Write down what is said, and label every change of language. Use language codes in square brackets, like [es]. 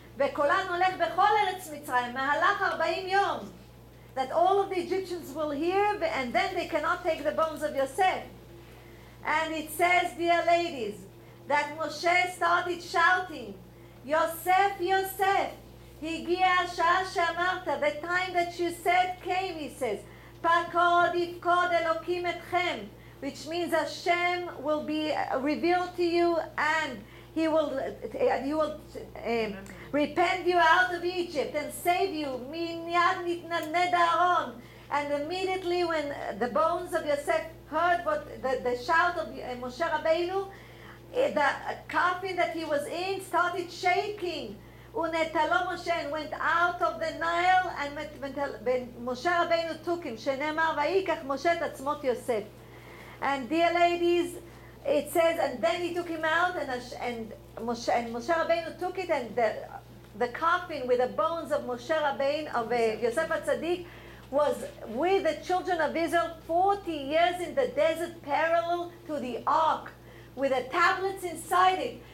[he] וקולן הולך בכל ארץ מצרים, מהלך 40 יום. [en] That all of the Egyptians will hear, and then they cannot take the bones of Yosef. And it says, dear ladies, that Moshe started shouting, Yosef, Yosef, [he] הגיע השעה שאמרת, [en] the time that you said came, he says, [he] פקוד יפקוד אלוקים אתכם, [en] which means Hashem will be revealed to you, and he will, you will repent you out of Egypt and save you. [he] מיד נתנדנד אהרון. [en] And immediately when the bones of Yosef heard what the shout of Moshe Rabbeinu, the coffin that he was in started shaking. [he] ונטלו משה, [en] and went out of the Nile, and Moshe Rabbeinu took him. [he] שנאמר, ויקח משה את עצמות יוסף. [en] And dear ladies, it says, and then he took him out, and Moshe Rabbeinu took it, and the coffin with the bones of Moshe Rabbeinu, of Yosef HaTzadik, was with the children of Israel 40 years in the desert, parallel to the ark, with the tablets inside it.